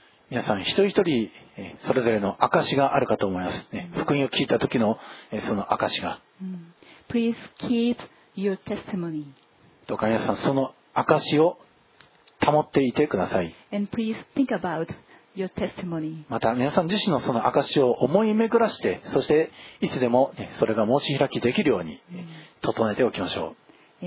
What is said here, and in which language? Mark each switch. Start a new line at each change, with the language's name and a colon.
Japanese: 皆さん一人一人それぞれの証があるかと思います、ね、福音を聞いた時のその証が、
English: Please keep your testimony.
Japanese: どうか皆さんその証を保っていてください。
English: And please think about your testimony.
Japanese: また皆さん自身のその証を思い巡らしてそしていつでも、ね、それが申し開きできるように整えておきましょう。